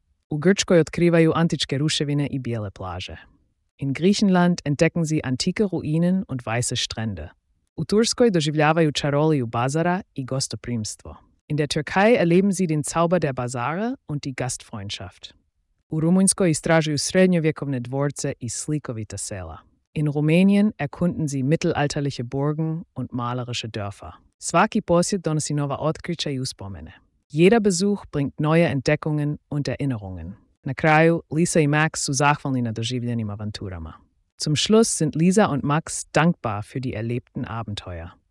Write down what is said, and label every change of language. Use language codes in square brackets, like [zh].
[hr] U Grčkoj otkrivaju antičke ruševine i bijele plaže. [de] In Griechenland entdecken sie antike Ruinen und weiße Strände. [hr] U Turskoj doživljavaju čaroliju bazara i gostoprimstvo. [de] In der Türkei erleben sie den Zauber der Bazare und die Gastfreundschaft. [hr] U Rumunjskoj istražuju srednjovjekovne dvorce i slikovita sela. [de] In Rumänien erkunden sie mittelalterliche Burgen und malerische Dörfer. [hr] Svaki posjet donosi nova otkrića i uspomene. [de] Jeder Besuch bringt neue Entdeckungen und Erinnerungen. [hr] Na kraju, Lisa i Max su zahvalni na doživljenim avanturama. [de] Zum Schluss sind Lisa und Max dankbar für die erlebten Abenteuer.